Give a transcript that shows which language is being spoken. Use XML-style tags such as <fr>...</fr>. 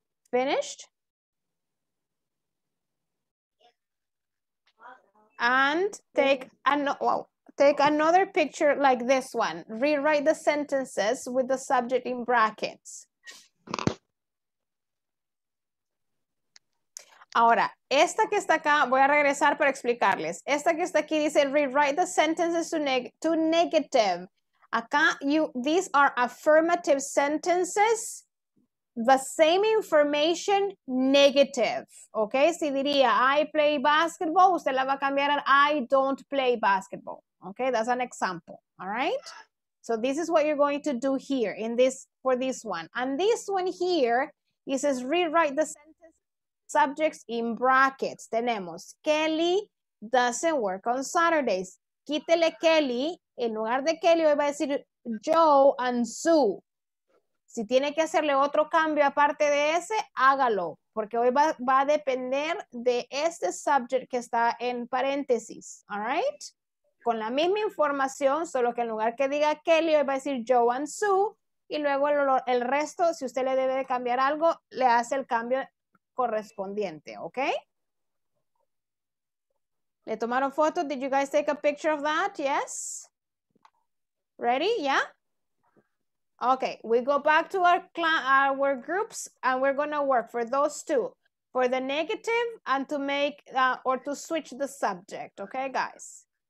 <en>Finished? And take take another picture like this one. Rewrite the sentences with the subject in brackets.</en> <es>Ahora, esta que está acá, voy a regresar para explicarles. Esta que está aquí dice,</es> <en>rewrite the sentences to negative.</en> <es>Acá,</es> <en>these are affirmative sentences, the same information, negative.</en> <es>Ok, si diría,</es> <en>I play basketball,</en> <es>usted la va a cambiar a</es> <en>I don't play basketball. Ok, that's an example. All right? So this is what you're going to do here in this, for this one. And this one here, it says, rewrite the sentences. Subjects in brackets.</en> <es>Tenemos</es> <en>Kelly doesn't work on Saturdays.</en> <es>Quítele Kelly. En lugar de Kelly, hoy va a decir Joe and Sue. Si tiene que hacerle otro cambio aparte de ese, hágalo. Porque hoy va a depender de este subject que está en paréntesis.</es> <en>All right?</en> <es>Con la misma información, solo que en lugar que diga Kelly, hoy va a decir Joe and Sue. Y luego el resto, si usted le debe de cambiar algo, le hace el cambio correspondiente, okay? Le tomaron foto.</es> <en>Did you guys take a picture of that? Yes? Ready? Yeah? Okay, we go back to our groups and we're gonna work for those two, for the negative and to make or to switch the subject, okay, guys?</en>